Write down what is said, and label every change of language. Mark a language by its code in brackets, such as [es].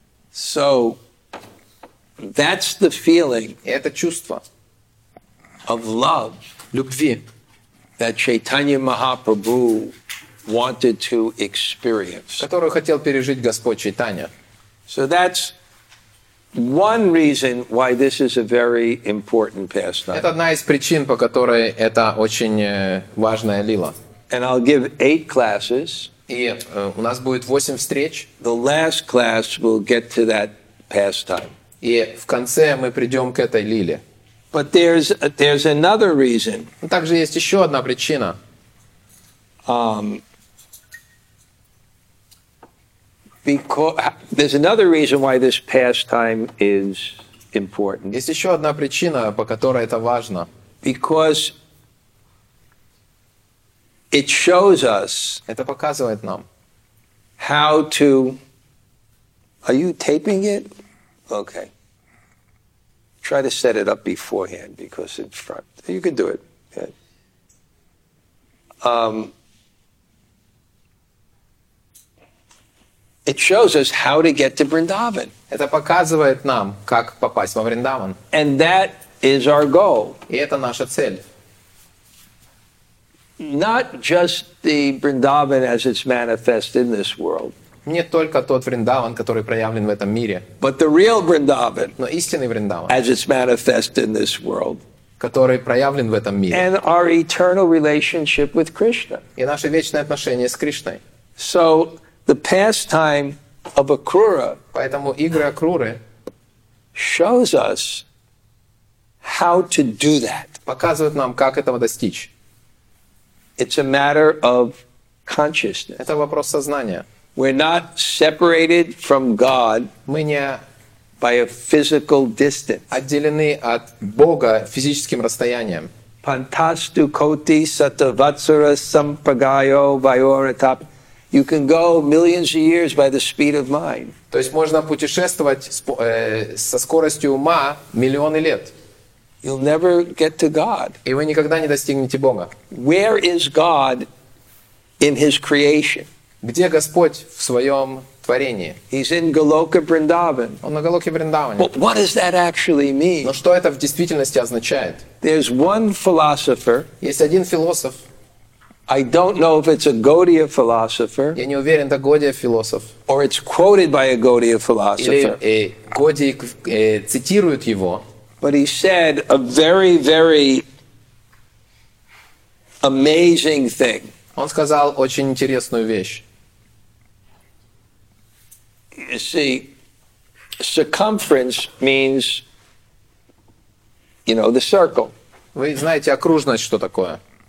[en] So that's the feeling. [ru] Это чувство [en] of love, [ru] любви, [en] that Chaitanya Mahaprabhu wanted to experience, [ru] которую хотел пережить Господь Чайтанья. [en] So that's one reason why this is a very important pastime. [ru] Это одна из причин, по которой это очень важная лила. [en] And I'll give 8 classes. [ru] И у нас будет 8 встреч. [en] The last class will get to that pastime. [ru] И в конце мы придем к этой лиле. [en] But there's another reason. [ru] Также есть еще одна причина. [en] Because there's another reason why this pastime is important. [ru] Есть еще одна причина, по которой это важно. [en] Because it shows us. [ru] Это показывает нам. [en] How to? Are you taping it? Okay. try to set it up beforehand because in front. You can do it. It shows us how to get to Vrindavan. [ru] Это показывает нам, как попасть во Вриндаван. [en] And that is our goal. [ru] И это наша цель. [en] Not just the Vrindavan as it's manifest in this world. [ru] Не только тот Вриндаван, который проявлен в этом мире. [en] But the real Vrindavan. [ru] Но истинный Вриндаван. [en] As it's manifest in this world. [ru] Который проявлен в этом мире. [en] And our eternal relationship with Krishna. [ru] И наше вечное отношение с Кришной. [en] So the pastime of Akrura. [ru] Поэтому игры Акруры [en] shows us how to do that. [ru] Показывает нам, как этого достичь. [en] It's a matter of consciousness. [ru] Это вопрос сознания. [en] We're not separated from God by a physical distance. [ru] Отделены от Бога физическим расстоянием. [sa] Pantastu koti satavatsura sampagayo vayoratap. [en] You can go millions of years by the speed of mind. [ru] То есть можно путешествовать со скоростью ума миллионы лет. [en] You'll never get to God. [ru] И вы никогда не достигнете Бога. [en] Where is God in His creation? [ru] Где Господь в своем творении? [en] He's in Goloka Vrindavan. [ru] Он на Голоке Вриндаване. [en] But what does that actually mean? [ru] Но что это в действительности означает? [en] There's one philosopher. [ru] Есть один философ. [en] I don't know if it's a Gaudiya philosopher. [ru] Я не уверен, это Гаудия философ. [en] Or it's quoted by a Gaudiya philosopher. [ru] Или Гаудии цитируют его. [en] But he said a very, very amazing thing. [ru] Он сказал очень интересную вещь. [en] You see, circumference means, you know, the circle. [ru] Вы знаете окружность, что такое?